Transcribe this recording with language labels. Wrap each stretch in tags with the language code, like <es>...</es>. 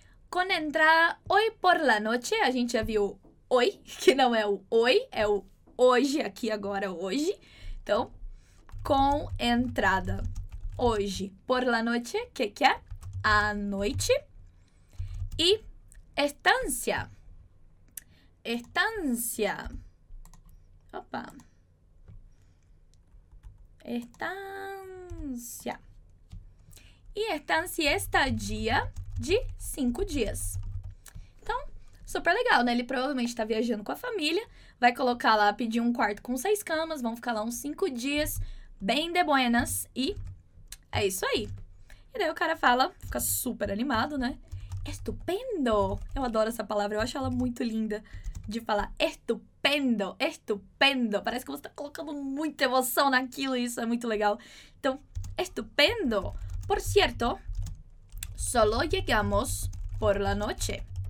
<es>Con entrada hoy por la noche.</es> <pt>A gente já viu hoy, que não é o hoy, é o hoje, aqui, agora, hoje. Então, com entrada hoje</pt> <es>por la noche,</es> <pt>que é? A noite. E estancia. Estancia. Opa. Estancia. E estancia, estadia de 5 dias. Então, super legal, né? Ele provavelmente está viajando com a família. Vai colocar lá, pedir um quarto com 6 camas. Vão ficar lá uns 5 dias. Bem</pt> <es>de buenas.</es> <pt>E é isso aí. E daí o cara fala, fica super animado, né? Estupendo. Eu adoro essa palavra. Eu acho ela muito linda de falar. Estupendo, estupendo. Parece que você está colocando muita emoção naquilo. Isso é muito legal. Então, estupendo.</pt> <es>Por cierto, solo llegamos por la noche.</es>